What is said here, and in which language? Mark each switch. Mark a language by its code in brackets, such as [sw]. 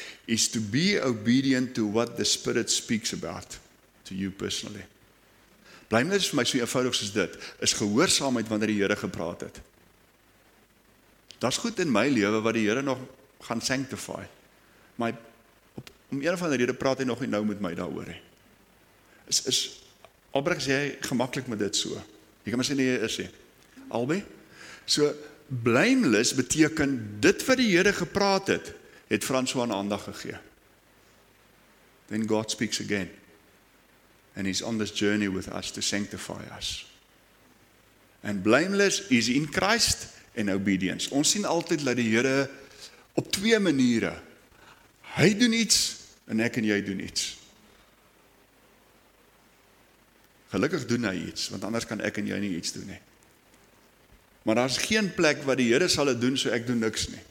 [en] Is to be obedient to what the Spirit speaks about to you personally. [af] Blameless is vir my so eenvoudig soos dit, is gehoorsaamheid wanneer die Here gepraat het. Dat's goed in my lewe wat die Here nog gaan sanctify. Maar om een of ander rede praat hy nog nie nou met my daaroor nie. Is Albrecht sê jy gemakkelijk met dit so? Jy kan my sê nie jy is nie. Albie? So, blameless beteken, dit wat die Here gepraat het, het François aan aandag gegee. [en] Then God speaks again. And he's on this journey with us to sanctify us. And blameless is in Christ and obedience. [af] Ons sien altyd dat die Here op twee maniere, hy doen iets en ek en jy doen iets. Gelukkig doen hy iets, want anders kan ek en jy nie iets doen nie. Maar daar is geen plek waar die Here sal het doen, so ek doen niks nie.